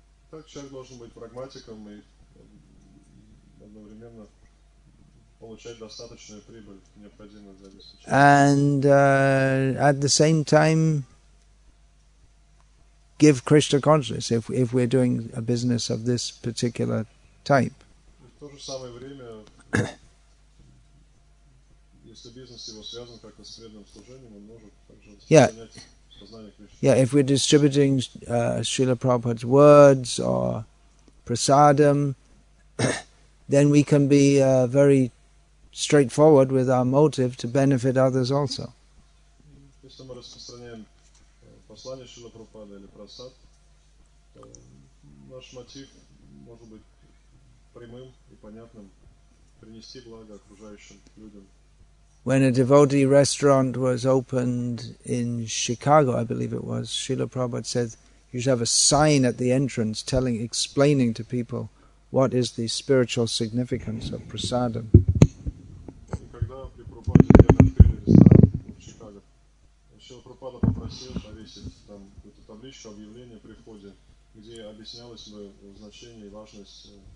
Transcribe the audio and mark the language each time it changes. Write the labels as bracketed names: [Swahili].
[Russian] Так, человек должен быть прагматиком и одновременно получать достаточную прибыль, необходимую для обеспечения. [English] And at the same time, give Krishna consciousness if we're doing a business of this particular type. [Russian] В то же самое время, если бизнес его связан как-то с преданным служением, он может также сохранять сознание Кришны. [English] Yeah, if we're distributing Srila Prabhupada's words or prasadam, then we can be very straightforward with our motive to benefit others also. [Russian] Если мы распространяем послание Шрила Прабхупады или прасад, наш мотив может быть прямым и понятным, принести благо окружающим людям. [English] When a devotee restaurant was opened in Chicago, I believe it was, Srila Prabhupada said you should have a sign at the entrance explaining to people what is the spiritual significance of prasadam. [Russian] И когда при Прабхупаде открыли ресторан в Чикаго, Шрила Прабхупада попросил повесить там эту табличку, объявление при входе, где объяснялось бы значение и важность.